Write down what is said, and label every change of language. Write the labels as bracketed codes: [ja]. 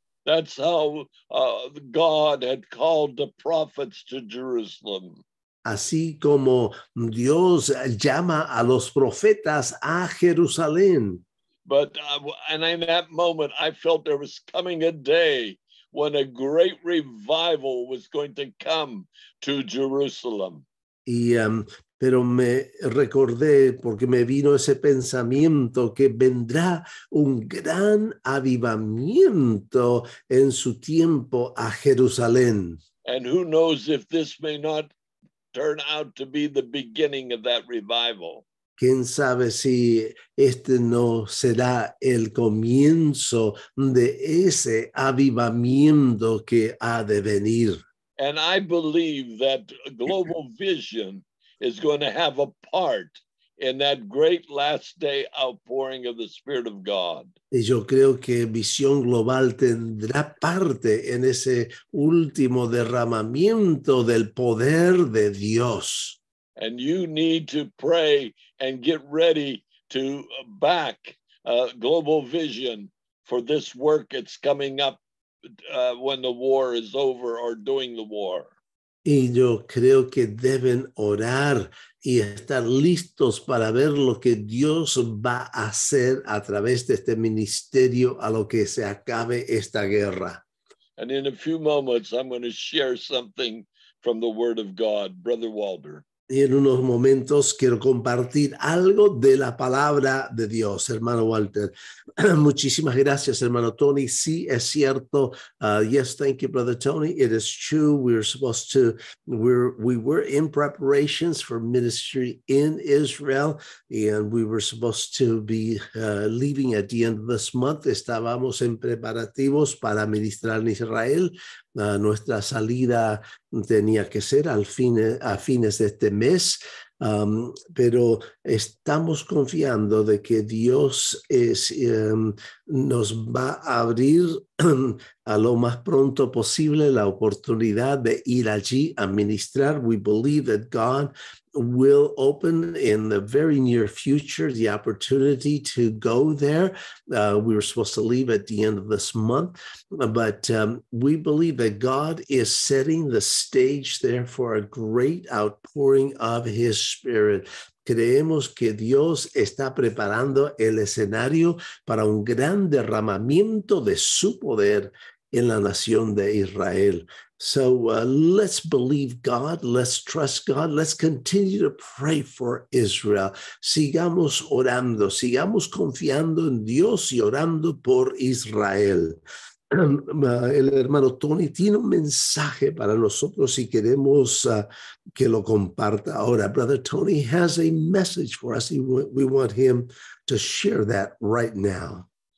[en] That's how God had called the prophets to Jerusalem. [es] Así como Dios llama a los profetas a Jerusalén. [en] But and in that moment, I felt there was coming a day when a great revival was going to come to Jerusalem. [es] Pero me recordé, porque me vino ese pensamiento, que vendrá un gran avivamiento en su tiempo a Jerusalén. [en] And who knows if this may not turn out to be the beginning of that revival. [es] ¿Quién sabe si este no será el comienzo de ese avivamiento que ha de venir? [en] And I believe that global vision is going to have a part in that great last day outpouring of the Spirit of God. [es] Y yo creo que Visión Global tendrá parte en ese último derramamiento del poder de Dios. [en] And you need to pray and get ready to back Global Vision for this work that's coming up when the war is over or during the war. [es] Y yo creo que deben orar y estar listos para ver lo que Dios va a hacer a través de este ministerio a lo que se acabe esta guerra. [en] And in a few moments, I'm going to share something from the Word of God, Brother Walder. [es] Y en unos momentos quiero compartir algo de la palabra de Dios, hermano Walter. Muchísimas gracias, hermano Tony. Sí, es cierto. [en] Yes, thank you, brother Tony. It is true. We were in preparations for ministry in Israel, and we were supposed to be leaving at the end of this month. [es] Estábamos en preparativos para ministrar en Israel. Nuestra salida tenía que ser a fines de este mes, pero estamos confiando de que Dios nos va a abrir a lo más pronto posible la oportunidad de ir allí a ministrar. [en] We believe that God will open in the very near future the opportunity to go there. We were supposed to leave at the end of this month, but we believe that God is setting the stage there for a great outpouring of His Spirit. [es] Creemos que Dios está preparando el escenario para un gran derramamiento de su poder en la nación de Israel. [en] So let's believe God, let's trust God, let's continue to pray for Israel. [es] Sigamos orando, sigamos confiando en Dios y orando por Israel. El hermano Tony tiene un mensaje para nosotros y queremos que lo comparta ahora. [en] Brother Tony has a message for us. We want him to share that right now.